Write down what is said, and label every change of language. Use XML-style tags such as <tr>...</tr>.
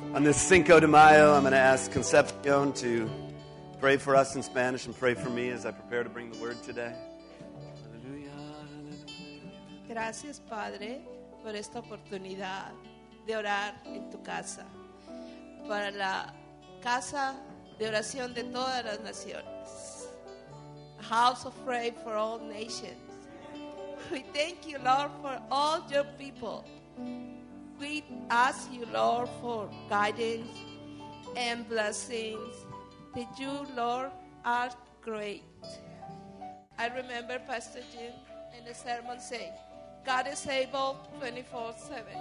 <en>On this Cinco de Mayo, I'm going to ask Concepcion to pray for us in Spanish and pray for me as I prepare to bring the word today.</en> <es>Gracias, Padre, por esta oportunidad de orar en tu casa, para la casa de oración de todas las naciones,</es> <en>a house of prayer for all nations. We thank you, Lord, for all your people. We ask you, Lord, for guidance and blessings, that you, Lord, are great. I remember Pastor Jim in the sermon saying, God is able 24/7.</en>